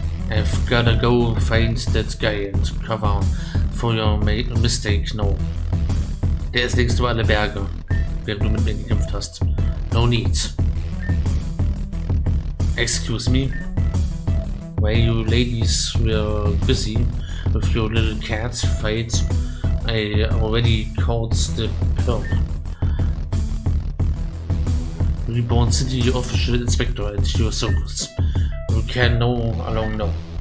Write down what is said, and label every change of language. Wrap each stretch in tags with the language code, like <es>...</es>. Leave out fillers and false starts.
<en>I've gotta go find that guy and cover for your mistake. No.</en> <de>Der ist längst über alle Berge, während du mit mir gekämpft hast.</de> <en>No need. Excuse me. Why you ladies were busy with your little cat fight, I already caught the perp. Reborn City Official Inspector at your service. You can no longer know.</en>